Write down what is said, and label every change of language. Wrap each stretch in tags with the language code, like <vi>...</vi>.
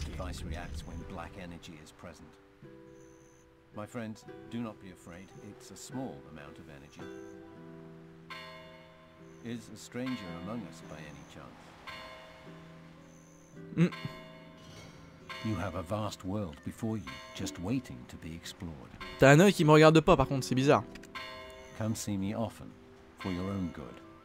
<en>The device reacts when black energy is present. My friends, do not be afraid. It's a small amount of energy. Is a stranger among us by any chance? You have a vast world before you, just waiting to be explored.</en> <fr>T'as un œil qui me regarde pas, par contre, c'est bizarre.</fr> <en>Come see me often, for your own good.</en>